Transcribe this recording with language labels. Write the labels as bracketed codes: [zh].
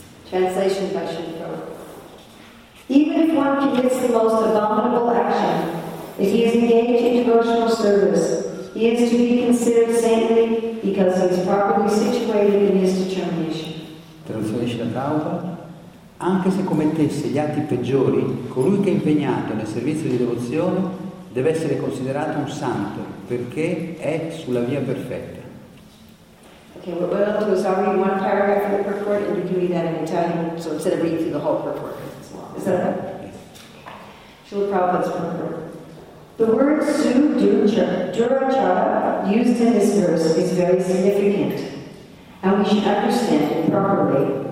[en] Translation by Shri Prabhupada. Even if one commits the most abominable action, if he is engaged in devotional service, he is to be considered saintly because he is properly situated in his determination. [it] Traduzione della Prabhupada. Anche se commettesse gli atti peggiori, colui che è impegnato nel servizio di devozione deve essere considerato un santo, perché è sulla via perfetta. [en] Okay, what we'll do is I'll read one paragraph of the purport and you can read that in Italian, so instead of reading through the whole purport, it's long. Is that right? Srila Prabhupada's purport. The word Sudurachara used in this verse is very significant, and we should understand it properly.